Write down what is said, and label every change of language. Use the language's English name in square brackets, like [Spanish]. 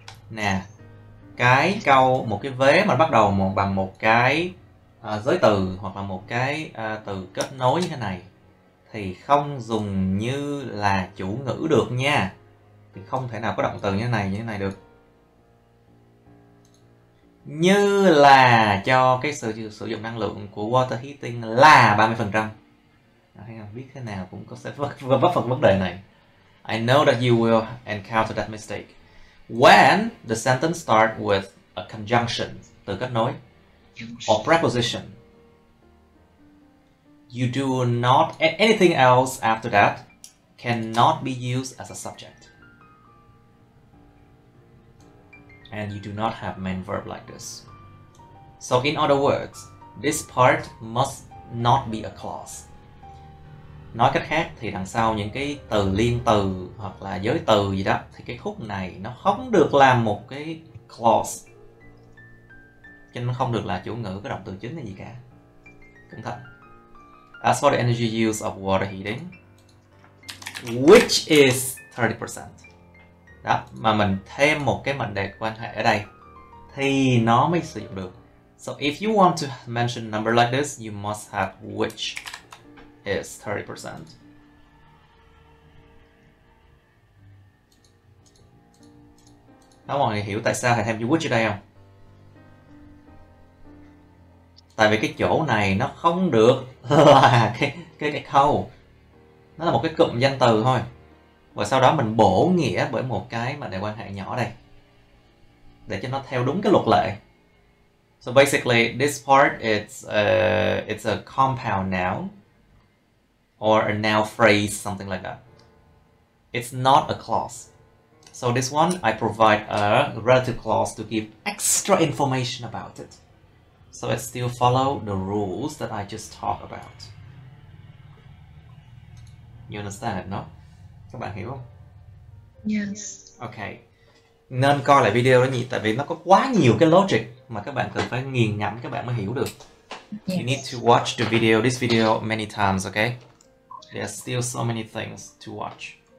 [Vietnamese] Nè, cái câu một cái vế mà bắt đầu bằng một cái giới từ hoặc là một cái từ kết nối như thế này thì không dùng như là chủ ngữ được nha. Thì không thể nào có động từ như thế này được. Như là cho cái sự sử dụng năng lượng của water heating là 30%. Hay là biết thế nào cũng có sẽ vấp phần vấn đề này. [English] I know that you will encounter that mistake when the sentence start with a conjunction, [Vietnamese] từ kết nối, [English] or preposition. You do not, anything else after that cannot be used as a subject. And you do not have main verb like this. So in other words, this part must not be a clause. [Vietnamese] Nói cách khác thì đằng sau những cái từ liên từ hoặc là giới từ gì đó thì cái khúc này nó không được làm một cái clause. Cho nên nó không được là chủ ngữ, cái động từ chính hay gì cả. Cẩn thận. [English] As for the energy use of water heating, which is 30%. [Vietnamese] Đó, mà mình thêm một cái mệnh đề quan hệ ở đây thì nó mới sử dụng được. [English] So if you want to mention number like this, you must have which is 30%. [Vietnamese] Đó, mọi người hiểu tại sao thầy thêm which ở đây không? Tại vì cái chỗ này nó không được là cái câu. Nó là một cái cụm danh từ thôi. Và sau đó mình bổ nghĩa bởi một cái mà để quan hệ nhỏ đây. Để cho nó theo đúng cái luật lệ. [English] So basically, this part it's a compound noun or a noun phrase, something like that. It's not a clause. So this one, I provide a relative clause to give extra information about it. So it still follow the rules that I just talked about. You understand it, no? [Vietnamese] Các bạn hiểu không? [English] Yes. Ok. [Vietnamese] Nên coi lại video đó nhỉ, tại vì nó có quá nhiều cái logic mà các bạn cần phải nghiền ngẫm các bạn mới hiểu được. [English] Yes. You need to watch the video, this video many times, ok? There are still so many things to watch.